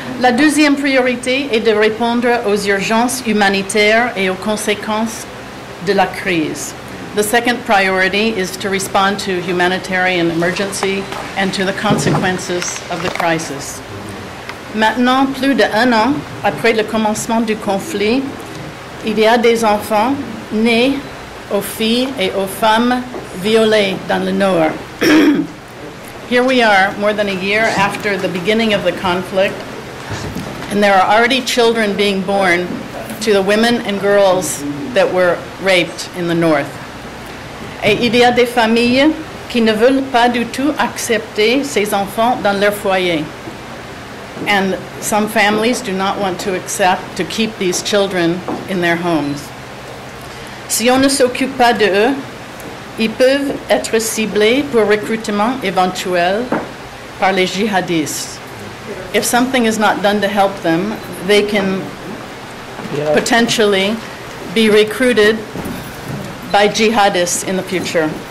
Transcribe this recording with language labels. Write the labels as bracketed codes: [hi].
[fr] La deuxième priorité est de répondre aux urgences humanitaires et aux conséquences de la crise. [en] The second priority is to respond to humanitarian emergency and to the consequences of the crisis. [fr] Maintenant, plus d'un an après le commencement du conflit, il y a des enfants nés aux filles et aux femmes violées dans le Nord. [en] Here we are, more than a year after the beginning of the conflict, and there are already children being born to the women and girls that were raped in the North. [fr] Et il y a des familles qui ne veulent pas du tout accepter ces enfants dans leur foyer. [en] And some families do not want to accept to keep these children in their homes. [fr] Si on ne s'occupe pas d'eux, ils peuvent être ciblés pour recrutement éventuel par les jihadistes. [en] If something is not done to help them, they can potentially be recruited by jihadists in the future.